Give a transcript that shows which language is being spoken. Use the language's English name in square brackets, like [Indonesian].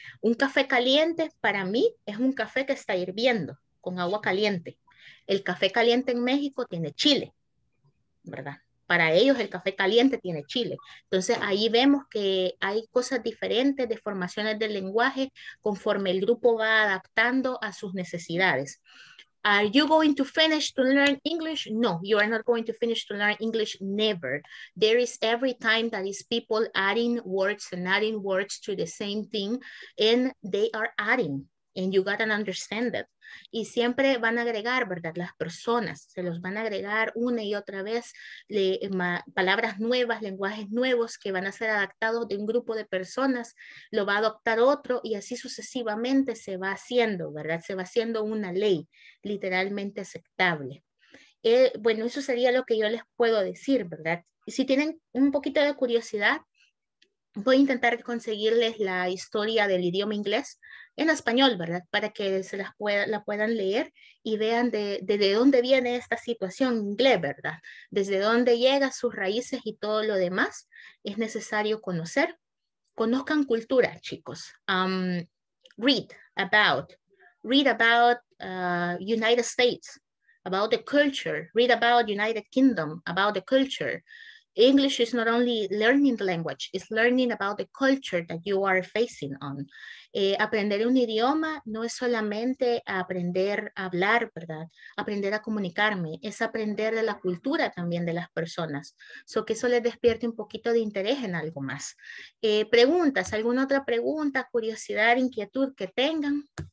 [Spanish] Un café caliente para mí es un café que está hirviendo con agua caliente. El café caliente en México tiene chile, ¿verdad? Para ellos el café caliente tiene chile. Entonces ahí vemos que hay cosas diferentes de formaciones del lenguaje conforme el grupo va adaptando a sus necesidades. [English] Are you going to finish to learn English? No, you are not going to finish to learn English, never. There is every time that is people adding words to the same thing, and they are adding, and you gotta understand that. [Spanish] y siempre van a agregar, ¿verdad? Las personas se los van a agregar una y otra vez, palabras nuevas, lenguajes nuevos que van a ser adaptados de un grupo de personas, lo va a adoptar otro y así sucesivamente se va haciendo, ¿verdad? Se va haciendo una ley literalmente aceptable. Bueno, eso sería lo que yo les puedo decir, ¿verdad? Si tienen un poquito de curiosidad, voy a intentar conseguirles la historia del idioma inglés en español, ¿verdad? Para que se las la puedan leer y vean de dónde viene esta situación en inglés, ¿verdad? Desde dónde llega, sus raíces y todo lo demás. Es necesario conocer. Conozcan cultura, chicos. [English] Read about United States. About the culture. Read about United Kingdom. About the culture. English is not only learning the language, it's learning about the culture that you are facing on. [Spanish] Aprender un idioma no es solamente aprender a hablar, ¿verdad? Aprender a comunicarme, es aprender de la cultura también de las personas. So que eso les despierte un poquito de interés en algo más. Preguntas, ¿alguna otra pregunta, curiosidad, inquietud que tengan?